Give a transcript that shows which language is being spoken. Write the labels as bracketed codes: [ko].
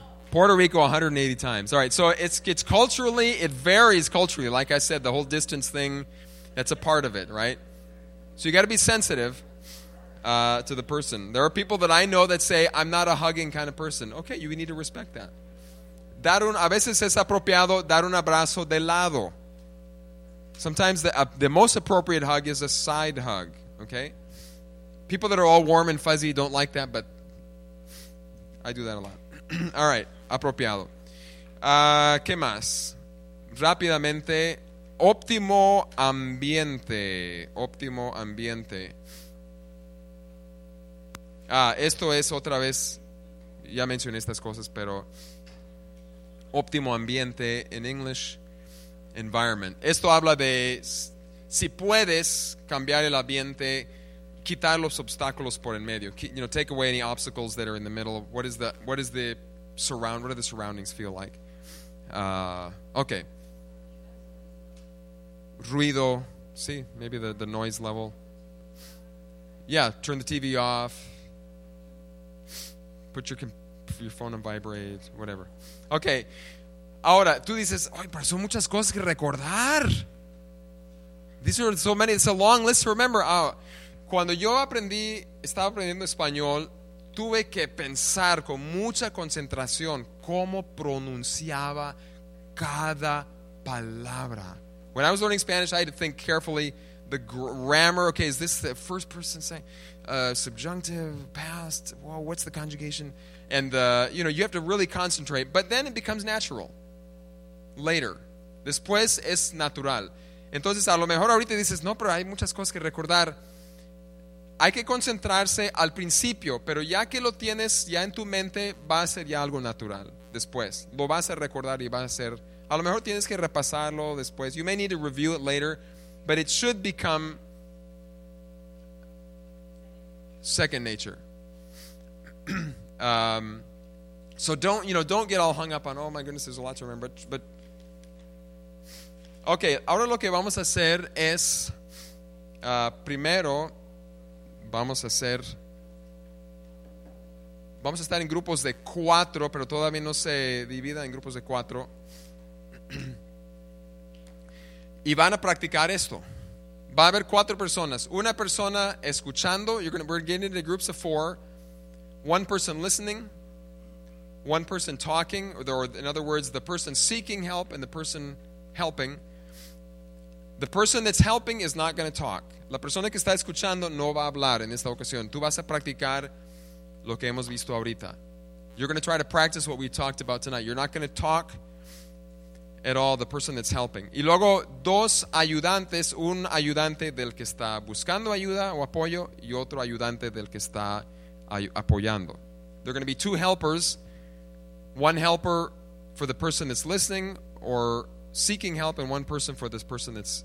[en] Puerto Rico, 180 times. All right, so it's culturally, it varies culturally. Like I said, the whole distance thing, that's a part of it, right? So you got to be sensitive to the person. There are people that I know that say, I'm not a hugging kind of person. Okay, you need to respect that. [es] A veces es apropiado dar un abrazo de lado. [en] Sometimes the most appropriate hug is a side hug, okay? People that are all warm and fuzzy don't like that, but I do that a lot. All right. [es] Apropiado. ¿Qué más? Rápidamente, óptimo ambiente. Óptimo ambiente. Ah, esto es otra vez, ya mencioné estas cosas, pero óptimo ambiente en inglés, environment. Esto habla de si puedes cambiar el ambiente, quitar los obstáculos por en medio. [en] You know, take away any obstacles that are in the middle. What is the surround, what do the surroundings feel like? Okay. [es] Ruido. Sí, [en] maybe the noise level. Yeah, turn the TV off. Put your phone on vibrate, whatever. Okay. [es] Ahora, tú dices, ay, pero son muchas cosas que recordar. [en] These are so many, it's a long list to remember. [es] Cuando yo estaba aprendiendo español, tuve que pensar con mucha concentración cómo pronunciaba cada palabra. [en] When I was learning Spanish, I had to think carefully the grammar. Okay, is this the first person saying subjunctive, past? Well, what's the conjugation? And, you know, you have to really concentrate. But then it becomes natural later. [es] Después es natural. Entonces, a lo mejor ahorita dices, no, pero hay muchas cosas que recordar. Hay que concentrarse al principio, pero ya que lo tienes ya en tu mente, va a ser ya algo natural después. Lo vas a recordar y va a ser, a lo mejor tienes que repasarlo después. [en] You may need to review it later, but it should become second nature. So don't get all hung up on, oh my goodness, there's a lot to remember. But okay, [es] ahora lo que vamos a hacer es, primero, vamos a estar en grupos de 4, pero todavía no se divida en grupos de 4. Y van a practicar esto. Va a haber cuatro personas. Una persona escuchando. [en] We're getting into groups of four. One person listening. One person talking. Or in other words, the person seeking help and the person helping. The person that's helping is not going to talk. [es] La persona que está escuchando no va a hablar en esta ocasión. Tú vas a practicar lo que hemos visto ahorita. [en] You're going to try to practice what we talked about tonight. You're not going to talk at all, the person that's helping. [es] Y luego dos ayudantes, un ayudante del que está buscando ayuda o apoyo y otro ayudante del que está apoyando. [en] There are going to be two helpers, one helper for the person that's listening or seeking help, and one person for this person that's...